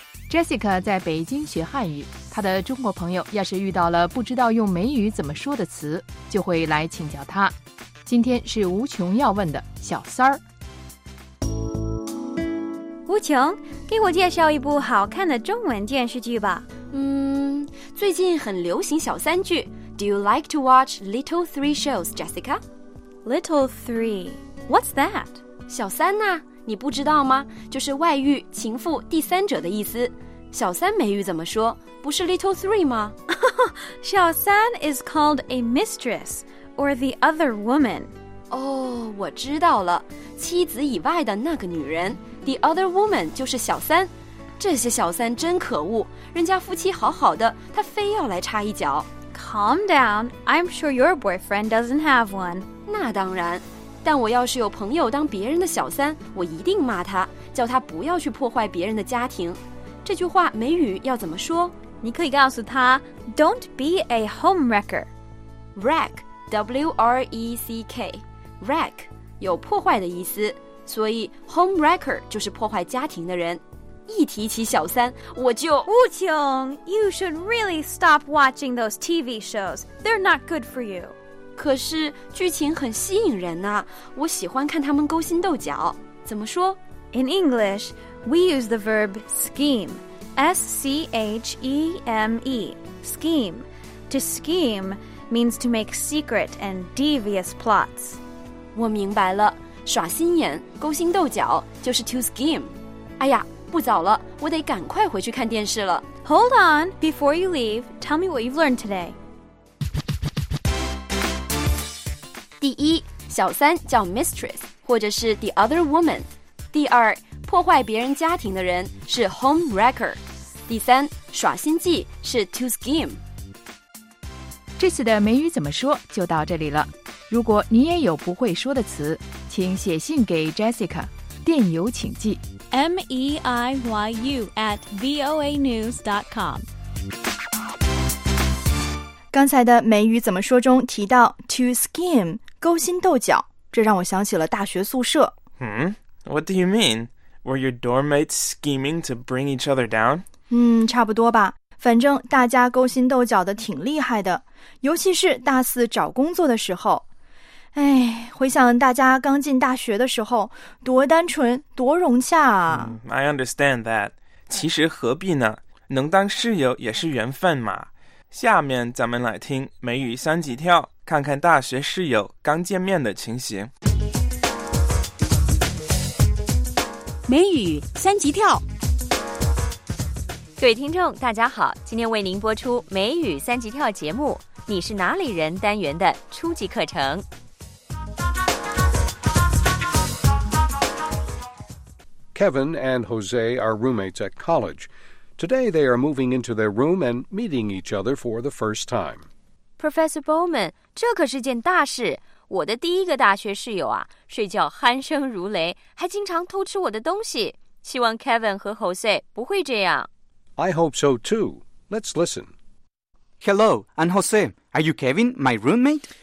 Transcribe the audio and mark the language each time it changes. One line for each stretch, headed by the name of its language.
Chinese: Jessica 在北京学汉语，她的中国朋友要是遇到了不知道用美语怎么说的词，就会来请教她。今天是无穷要问的小三儿。无穷，给我介绍一部好看的中文电视剧吧。最近很流行小三剧。
English: Do you like to watch Little Three Shows, Jessica? Little Three... What's that?
Chinese: 小三呐、啊，你不知道吗？就是外遇、情妇、第三者的意思。小三美语怎么说？不是
English: little three
Chinese: 吗？
English: 小三 is called a mistress or the other woman.
Chinese: 哦、oh, ，我知道了，妻子以外的那个女人 ，
English: the other woman
Chinese: 就是小三。这些小三真可恶，人家夫妻好好的，她非要来插一脚。
English: Calm down, I'm sure your boyfriend doesn't have one.
Chinese: 那当然。但我要是有朋友当别人的小三，我一定骂他，叫他不要去破坏别人的家庭。这句话美语要怎么说？你可以告诉他 ，
English: Don't be a homewrecker.
Chinese: Wreck, W-R-E-C-K, wreck 有破坏的意思，所以 homewrecker 就是破坏家庭的人。一提起小三，我就无穷。
English: You should really stop watching those TV shows. They're not good for you.
Chinese: 可是剧情很吸引人呐、啊，我喜欢看他们勾心斗角。怎么说
English: ？In English, we use the verb scheme, S C H E M E, scheme. To scheme means to make secret and devious plots.
Chinese: 我明白了，耍心眼、勾心斗角就是 to scheme。哎呀，不早了，我得赶快回去看电视了。
English: Hold on, before you leave, tell me what you've learned today.
Chinese: 第一，小三叫 mistress 或者是
English: the other woman。
Chinese: 第二，破坏别人家庭的人是 home wrecker。第三，耍心计是 to scheme。这次的美语怎么说就到这里了。如果你也有不会说的词，请写信给 Jessica， 电邮请寄 meiyu@voanews.com。刚才的美语怎么说中提到 to scheme， 勾心斗角，这让我想起了大学宿舍。
English: What do you mean? Were your dorm mates scheming to bring each other down?
Chinese: 差不多吧。反正大家勾心斗角的挺厉害的，尤其是大四找工作的时候。哎，回想大家刚进大学的时候，多单纯，多融洽啊。
English: I understand that.
Chinese: 其实何必呢？能当室友也是缘分嘛。下面咱们来听美语三级跳，看看大学室友刚见面的情形。美语三级跳。各位听众大家好，今天为您播出美语三级跳节目，你是哪里人单元的初级课程。
English: Kevin and Jose are roommates at college. Today they are moving into their room and meeting each other for the first time.
Chinese: Professor Bowman, 这可是件大事。我的第一个大学室友啊，睡觉鼾声如雷，还经常偷吃我的东西。希望 Kevin 和 Jose 不会这样。
English: I hope so too. Let's listen. Hello, I'm Jose. Are you Kevin, my roommate?